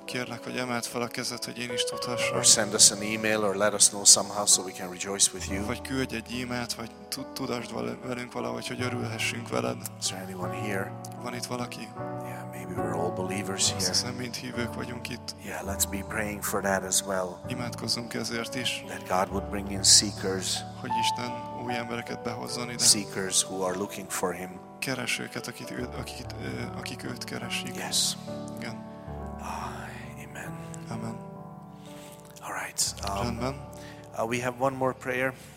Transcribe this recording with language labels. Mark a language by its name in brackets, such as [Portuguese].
[Hungarian] Kérlek, hogy emeld fel a kezed, hogy én is tudhassam. [English] Or send us an email, or let us know somehow so we can rejoice with you. [Hungarian] Vagy küldj egy e-mailt, vagy tudasd velünk valahogy, hogy örülhessünk veled. [English] Is there anyone here? [Hungarian] Van itt valaki? [English] Yeah, maybe we're all believers here. [Hungarian] Azt hiszem, mint hívők vagyunk itt. [English] Yeah, let's be praying for that as well. [Hungarian] Imádkozzunk ezért is. [English] That God would bring in seekers. [Hungarian] Hogy Isten új embereket behozzon ide. [English] Seekers who are looking for him. [Hungarian] Keresőket, akik őt keresik. [English] Yes. [Hungarian] Igen. [English] Amen. [Hungarian] Amen. [English] All right. [Hungarian] Rendben. [English] We have one more prayer.